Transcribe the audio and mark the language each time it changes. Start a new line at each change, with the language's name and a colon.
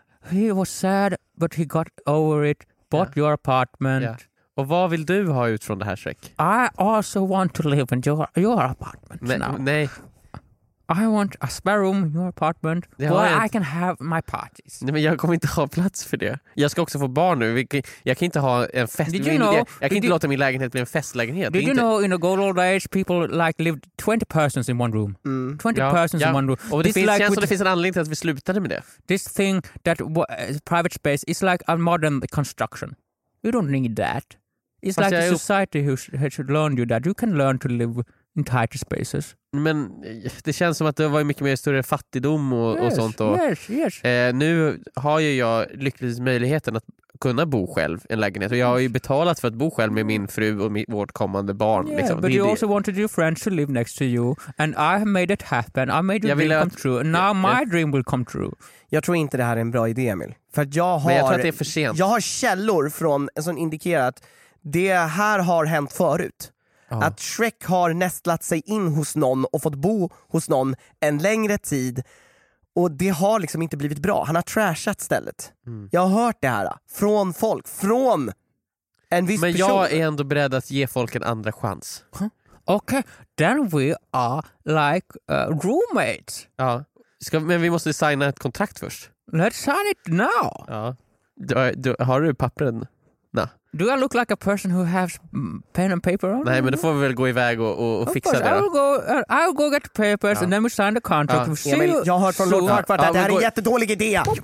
English: He was sad, but he got over it. Bought your apartment. Yeah.
Swedish: Och vad vill du ha ut från det här, Shrek?
English: I also want to live in your apartment now.
Swedish: Nej.
English: I want a spare room in your apartment where I can have my parties.
Swedish: Nej, men jag kommer inte ha plats för det. Jag ska också få barn nu. Jag kan inte ha en fest. Jag kan inte låta min lägenhet bli en festlägenhet.
English: Did you know in the good old age people like lived 20 persons in one room? Mm. 20 persons in one room.
Swedish: Och det finns, like, känns som det finns en anledning till att vi slutade med det.
English: This thing that private space is like a modern construction. You don't need that. It's like a society who should learn you that. You can learn to live in tighter spaces.
Swedish: Men det känns som att det var mycket mer större fattigdom och sånt. Och,
English: yes.
Swedish: Nu har ju jag lyckligtvis möjligheten att kunna bo själv i en lägenhet. Och jag har ju betalat för att bo själv med min fru och vårt kommande barn.
English: Yeah, liksom. But you also wanted your friends to live next to you. And I have made it happen. I made your dream come true. And now my dream will come true.
Swedish: Jag tror inte det här är en bra idé, Emil. För jag har, men jag tror att det är för sent. Jag har källor från som indikerar att det här har hänt förut. Att Shrek har nästlat sig in hos någon och fått bo hos någon en längre tid. Och det har liksom inte blivit bra. Han har trashat stället. Mm. Jag har hört det här från folk. Från en viss person. Jag är ändå beredd att ge folk en andra chans.
English: Okay, then we are like roommates.
Swedish: Ja. Men vi måste signa ett kontrakt först.
English: Let's sign it now.
Swedish: Ja. Har du pappren? Nej.
English: Do I look like a person who has pen and paper on?
Swedish: Nej, men då får vi väl gå iväg och fixa det.
English: I'll go get the papers and then we sign the contract.
Swedish: Jag har hört från Lord Farquaad att det här är en jättedålig idé.